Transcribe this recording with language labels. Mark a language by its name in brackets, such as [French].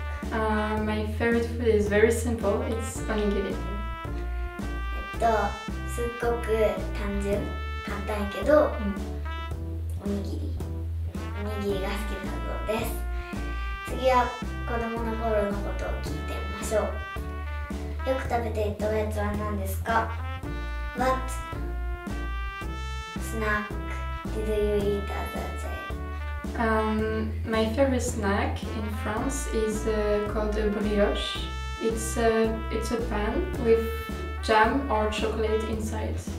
[English] What Japanese food do you like? My favorite food is very simple. It's onigiri. [Japanese] すっごく単純、簡単やけど、おにぎりが好きなのです。次は子供の頃のことを聞いてみましょう。よく食べていたおやつは何ですか？ [English] What snack did you eat as a child? My favorite snack in France is called a brioche. It's a pan with jam or chocolate inside.